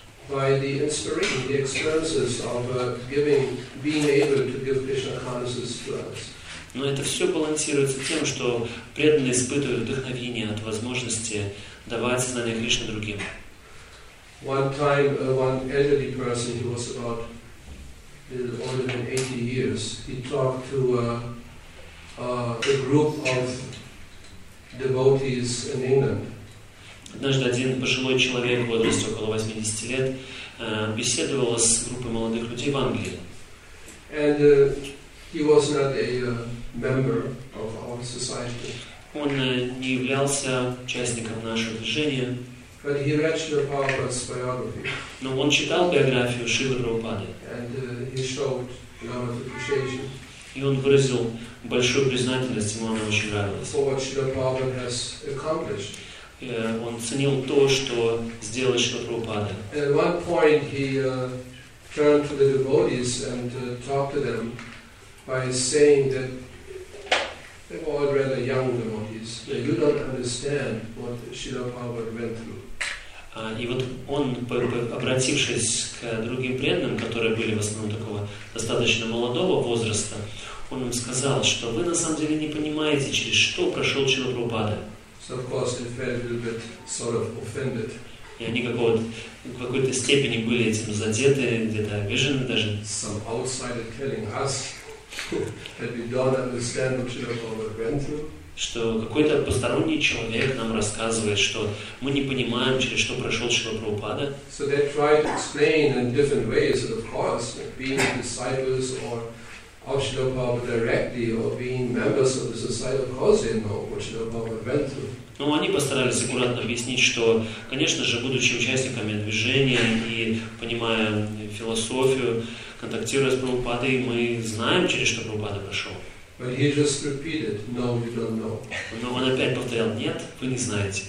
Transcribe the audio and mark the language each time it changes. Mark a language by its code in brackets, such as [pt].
[en] By the inspiration, the experiences of giving, being able to give Krishna consciousness to us. [ru] Но это все балансируется тем, что преданные испытывают вдохновение от возможности давать знания Кришны другим. [en] One time, one elderly person, he was about older than 80 years, he talked to a group of devotees in England. [ru] Однажды один пожилой человек в возрасте около 80 лет беседовал с группой молодых людей в Англии. [en] And he was not a member of our society. [ru] Он не являлся участником нашего движения. [en] But he read Srila Prabhupada's biography. [ru] Но он читал биографию Шрилы Прабхупады. [en] And he showed a lot of appreciation. [ru] И он выразил большую признательность, ему она очень нравилась. [en] For what Srila Prabhupada has accomplished. [ru] Он ценил то, что сделал Шрила Прабхупада. [en] At one point he turned to the devotees and talked to them by saying that they were all rather young devotees. That you don't understand what Srila Prabhupada went through. [ru] И вот он, обратившись к другим преданным, которые были в основном такого достаточно молодого возраста, он им сказал, что вы на самом деле не понимаете, через что прошел Шрила Прабхупада. [en] So of course they felt a little bit sort of offended. [ru] И они в какой-то степени были этим задеты, где-то обижены даже. [en] Some outsider telling us that we don't understand what Srila Prabhupada went through. [ru] Что какой-то посторонний человек нам рассказывает, что мы не понимаем, через что прошел Шрила Прабхупада. [en] So they tried to explain in different ways, of course, being disciples or of Srila Prabhupada directly or being members of the Society of Cause, they know what Srila Prabhupada went through. [ru] Ну, они постарались аккуратно объяснить, что, конечно же, будучи участниками движения и понимая философию, контактируя с Прабхупадой, мы знаем, через что Прабхупада прошел. [en] But he just repeated, no, we don't know. [ru] Но он опять повторял, нет, вы не знаете.